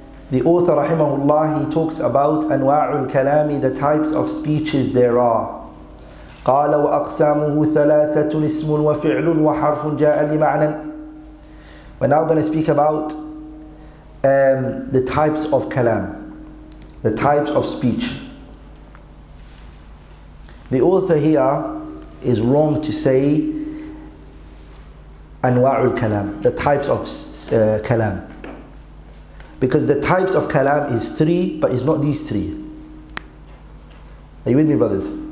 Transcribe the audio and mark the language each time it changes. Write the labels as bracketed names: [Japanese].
[English] The author, rahimahullah, he talks about anwa' al-kalami, the types of speeches there are. [Arabic] قال وأقسامه ثلاثة اسم وفعل وحرف جاء لمعنى. [English] We're now going to speak about the types of kalam, the types of speech. The author here is wrong to say [Arabic] أنواع الكلام, [English] the types of kalam, because the types of kalam is three, but it's not these three. Are you with me, brothers?